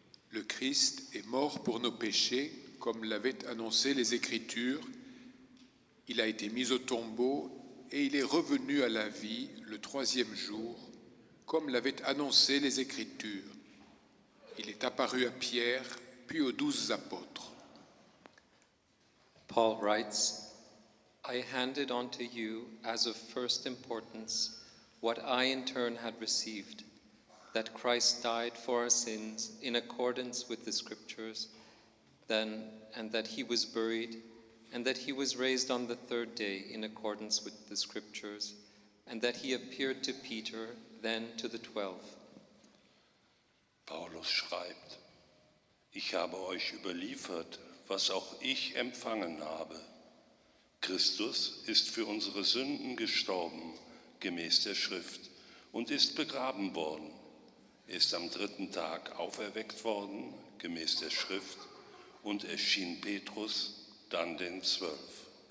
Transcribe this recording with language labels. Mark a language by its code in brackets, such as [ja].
[fr] Le Christ est mort pour nos péchés, comme l'avaient annoncé les Écritures. Il a été mis au tombeau et il est revenu à la vie le troisième jour, comme l'avaient annoncé les Écritures. Il est apparu à Pierre, puis aux 12 apôtres. [en] Paul writes, I handed on to you as of first importance what I in turn had received, that Christ died for our sins in accordance with the Scriptures, then, and that he was buried, and that he was raised on the third day in accordance with the Scriptures, and that he appeared to Peter, then to the 12. [de] Paulus schreibt, ich habe euch überliefert, was auch ich empfangen habe. Christus ist für unsere Sünden gestorben, gemäß der Schrift, und ist begraben worden. ist am dritten Tag auferweckt worden, gemäß der Schrift, und erschien Petrus, dann den Zwölf.